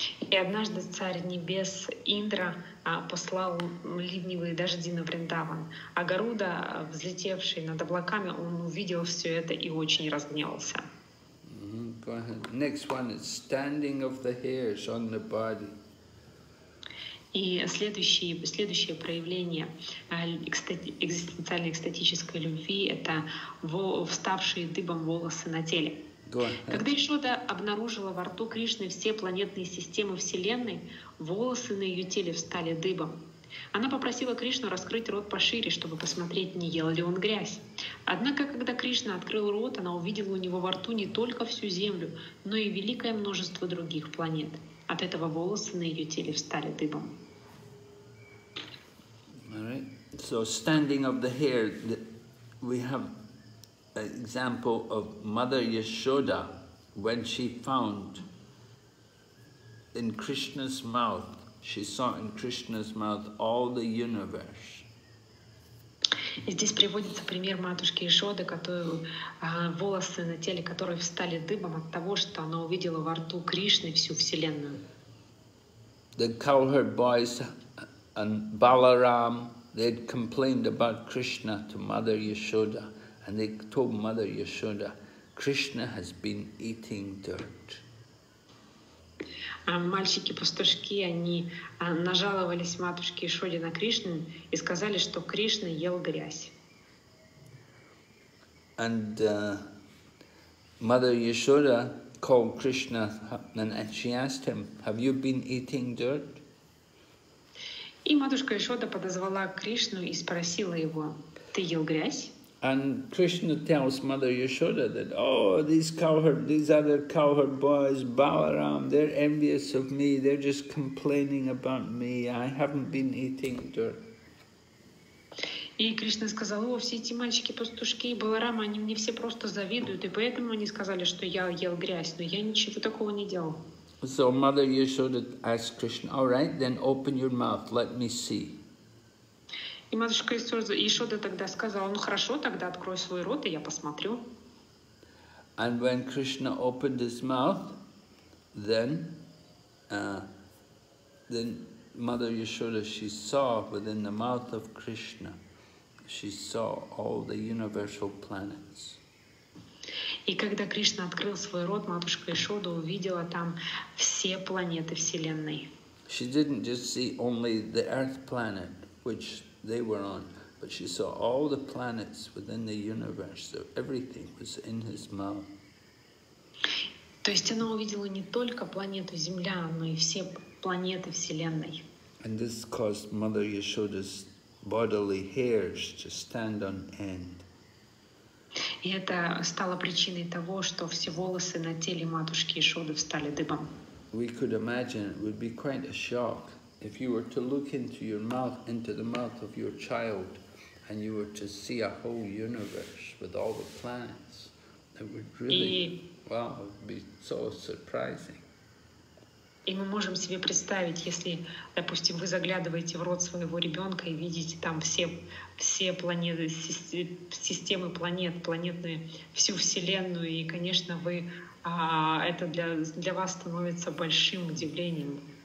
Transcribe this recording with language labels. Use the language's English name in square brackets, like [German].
[Russian] И однажды царь небес Индра послал ливневые дожди на Вриндаван, а Гаруда, взлетевший над облаками, он увидел все это и очень разгневался. [English] Go ahead. Next one is standing of the hairs on the body. [Russian] И следующее проявление экзистенциальной экстатической любви — это вставшие дыбом волосы на теле. Когда Ишода обнаружила во рту Кришны все планетные системы Вселенной, волосы на ее теле встали дыбом. Она попросила Кришну раскрыть рот пошире, чтобы посмотреть, не ел ли он грязь. Однако, когда Кришна открыл рот, она увидела у него во рту не только всю Землю, но и великое множество других планет. От этого волосы на ее теле встали дыбом. [English] All right. So standing of the hair, we have an example of Mother Yashoda when she found in Krishna's mouth, she saw in Krishna's mouth all the universe. [Russian] И здесь приводится пример матушки Ишоды, которую волосы на теле которой встали дыбом от того, что она увидела во рту Кришны всю Вселенную. [English] The cowherd boys and Balaram, they had complained about Krishna to Mother Yashoda, and they told Mother Yashoda, Krishna has been eating dirt. [Russian] Мальчики-пастушки, они нажаловались матушке Ишоде на Кришну и сказали, что Кришна ел грязь. [English] And Mother Yashoda called Krishna and she asked him, have you been eating dirt? [Russian] И матушка Ишода подозвала Кришну и спросила его, ты ел грязь? [English] And Krishna tells Mother Yashoda that, oh, these other cowherd boys, Balaram, they're envious of me, they're just complaining about me, I haven't been eating dirt. [Russian] И Кришна сказал, о, все эти мальчики-пастушки и Баларам, они мне все просто завидуют, и поэтому они сказали, что я ел грязь, но я ничего такого не делал. [English] So Mother Yashoda asked Krishna, all right, then open your mouth, let me see. [Russian] И матушка Ишода тогда сказала, ну хорошо, тогда открой свой рот, и я посмотрю. [English] And when Krishna opened his mouth, then Mother Yashoda, she saw within the mouth of Krishna, she saw all the universal planets. [Russian] И когда Кришна открыл свой рот, матушка Ишода увидела там все планеты Вселенной. [English] She didn't just see only the Earth planet, which they were on, but she saw all the planets within the universe, so everything was in his mouth. [Russian] То есть она увидела не только планету Земля, но и все планеты Вселенной. [English] And this caused Mother Yashoda's bodily hairs to stand on end. [Russian] И это стало причиной того, что все волосы на теле матушки Ишоды встали дыбом. [English] We could imagine it would be quite a shock if you were to look into your mouth, into the mouth of your child, and you were to see a whole universe with all the planets, it would really, wow, it would be so surprising. [Russian] И мы можем себе представить, если, допустим, вы заглядываете в рот своего ребенка и видите там все планеты, системы планет, планетные, всю Вселенную, и, конечно, вы это для вас становится большим удивлением.